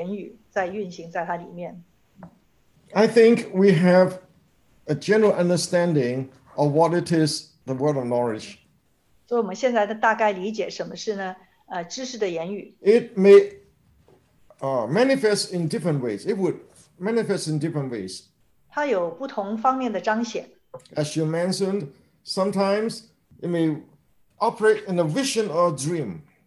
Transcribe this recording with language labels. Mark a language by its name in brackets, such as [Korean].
[Chinese] 哇,那里是有很多的知识的言语,智慧的言语在运行在他里面。 [English] I think we have a general understanding of what it is, the word of knowledge. [Chinese] 所以我们现在的大概理解什么是呢,知识的言语。 [English] It may manifest in different ways. It would manifest in different ways. [Chinese] 它有不同方面的彰显。 [English] As you mentioned, sometimes it may operate in a vision or a dream.